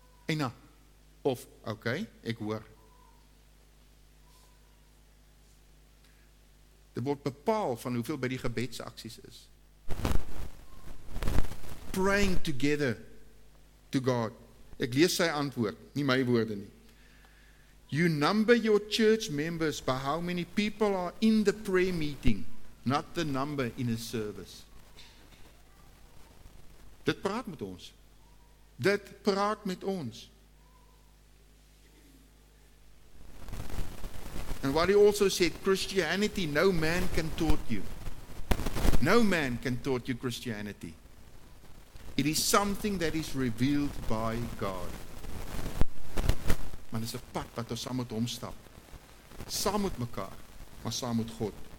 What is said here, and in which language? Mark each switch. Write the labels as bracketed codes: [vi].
[af] En nou, of, okay, ek hoor. Dit word bepaal van hoeveel by die gebedsaksies is. [en] Praying together to God. [af] Ek lees sy antwoord, nie my woorde nie. [en] You number your church members by how many people are in the prayer meeting, not the number in a service. [af] Dit praat met ons. Dit praat met ons. [en] And what he also said, Christianity, no man can taught you. No man can taught you Christianity. It is something that is revealed by God. [af] Maar dit is 'n pad wat ons saam met hom stap. Saam met mekaar, maar saam met God.